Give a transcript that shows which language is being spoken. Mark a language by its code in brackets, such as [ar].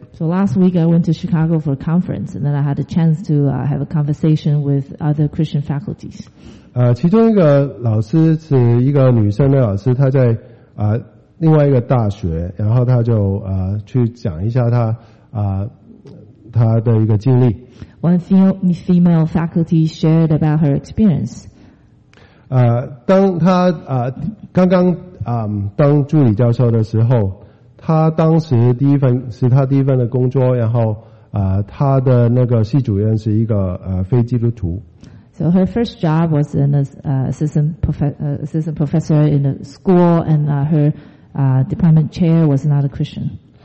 [en] So last week I went to Chicago for a conference, and then I had a chance to have a conversation with other Christian faculties. [zh] 其中一个老师是一个女生的老师，她在另外一个大学，然后她就去讲一下她她的一个经历。 [en] One female faculty shared about her experience. [zh] 当她刚刚当助理教授的时候，她当时第一份的工作，然后她的那个系主任是一个非基督徒。 [en] So her first job was in assistant professor in a school, and her department chair was not a Christian.